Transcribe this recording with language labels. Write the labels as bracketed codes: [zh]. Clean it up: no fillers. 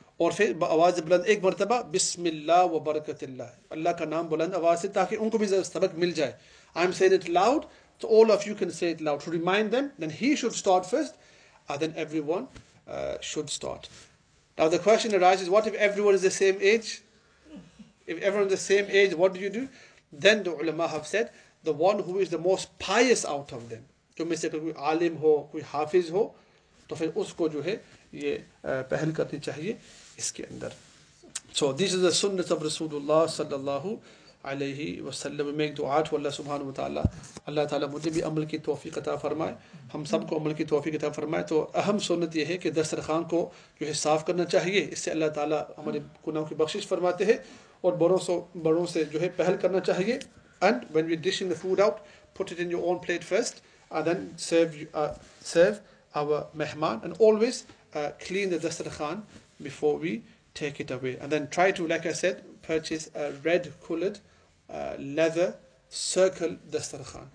[ur] اور پھر آواز بلند ایک مرتبہ بسم اللہ و برکت اللہ, اللہ کا نام بلند آواز سے, تاکہ ان کو بھی سبق مل جائے. [en] I'm saying it loud, so all of you can say it loud to remind them, then he should start first, and then everyone should start. Now the question arises, what if everyone is the same age? If everyone is the same age, what do you do? Then the ulama have said, the one who is the most pious out of them, [ur] جو میں سے کوئی عالم ہو کوئی حافظ ہو, تو پھر اس کو جو ہے یہ پہل کرنی چاہیے اس کے اندر. [en] So this is the sunnah of Rasulullah sallallahu alayhi wa sallam. We make dua to Allah subhanahu wa ta'ala. [ur] Allah ta'ala مجھے بھی عمل کی توفیق عطا فرمائے, ہم سب کو عمل کی توفیق عطا فرمائے. تو اہم سنت یہ ہے کہ دسترخوان کو جو ہے صاف کرنا چاہیے, اس سے اللہ تعالیٰ ہمارے گناہوں کی بخشش فرماتے ہیں, اور بڑوں سے جو ہے پہل کرنا چاہیے. [en] And when we're dishing the food out, put it in your own plate first, and then serve our mehman, and always clean the dasturkhan before we take it away. And then try to, like I said, purchase a red colored leather circle dasturkhan.